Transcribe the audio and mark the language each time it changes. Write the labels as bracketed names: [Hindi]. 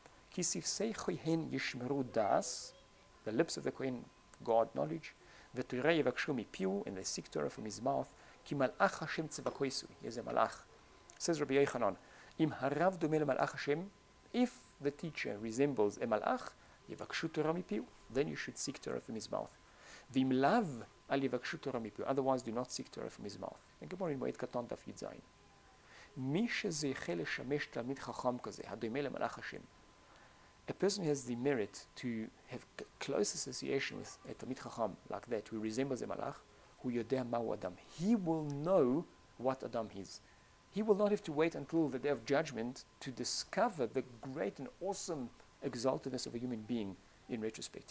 [English] Ki sifsei kohen yishmeru das, the lips of the kohen, God knowledge, v'turei yevakshu mipiu, and they seek Torah from his mouth, ki malach Hashem tzevakoisu, he is a malach. Says Rabbi Yochanan, im harav dome l'malach Hashem, if the teacher resembles a malach, yevakshu Torah mipiu, then you should seek Torah from his mouth. V'im lav al yevakshu Torah mipiu, otherwise do not seek Torah from his mouth. Think about it in Moed Katan, Daf Yud Zayin. [Hebrew] מי שזכה לשמש תלמיד חכם כזה, הדומה למלאך השם. [English] A person has the merit to have close association with a תלמיד חכם like that, who resembles a מלאך, who יודע מהו אדם. He will know what Adam is. He will not have to wait until the day of judgment to discover the great and awesome exaltedness of a human being in retrospect.